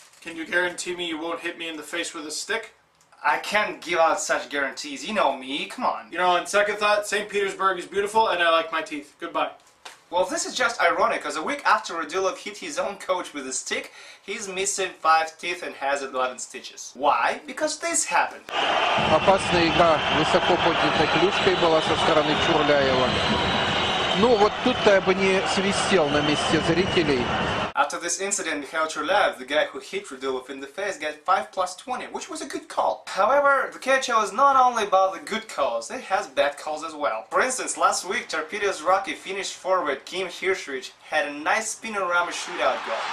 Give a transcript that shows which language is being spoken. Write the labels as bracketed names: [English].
[English] Can you guarantee me you won't hit me in the face with a stick? I can't give out such guarantees. You know me. Come on. You know, on second thought, St. Petersburg is beautiful and I like my teeth. Goodbye. Well, this is just ironic, because a week after Radulov hit his own coach with a stick, he's missing 5 teeth and has 11 stitches. Why? Because this happened. [Russian] Опасная игра высоко поднятой клюшкой была со стороны Чурляева. Ну, вот тут-то я бы не свистел на месте зрителей. [English] After this incident, Mikhail Chulev, the guy who hit Radulov in the face, got 5+20, which was a good call. However, the KHL is not only about the good calls, it has bad calls as well. For instance, last week, Torpedo's Rocky Finnish forward Kim Hirschrich had a nice spinorama shootout goal.